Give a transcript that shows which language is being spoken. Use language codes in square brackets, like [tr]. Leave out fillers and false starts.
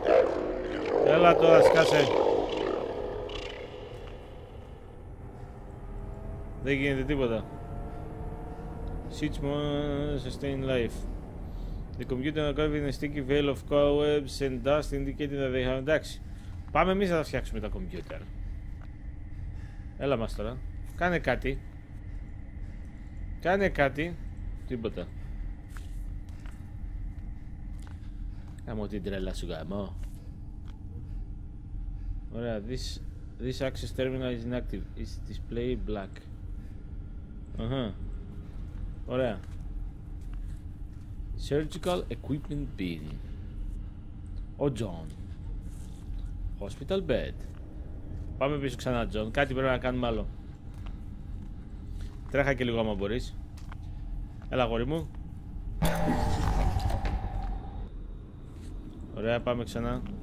[en] death. [el] Έλα τώρα, σκάσε. Δεν γίνεται τίποτα. [en] Switch mode, sustain life. The computer archive in a sticky veil of cobwebs and dust indicating that they have... [el] Εντάξει. Πάμε εμείς να τα φτιάξουμε τα computer. Έλα μας τώρα. Κάνε κάτι. Κάνε κάτι. Τίποτα. Κάμω την τρέλα σου γαμώ. Ωραία. [en] This access terminal is inactive. Its display black. Uh-huh. [el] Ωραία. [en] Surgical equipment bin. Oh John. Hospital bed. [el] Πάμε πίσω ξανά, John. Κάτι πρέπει να κάνουμε άλλο. Τρέχα και λίγο άμα μπορείς. Έλα, γόρι μου. Ωραία, πάμε ξανά.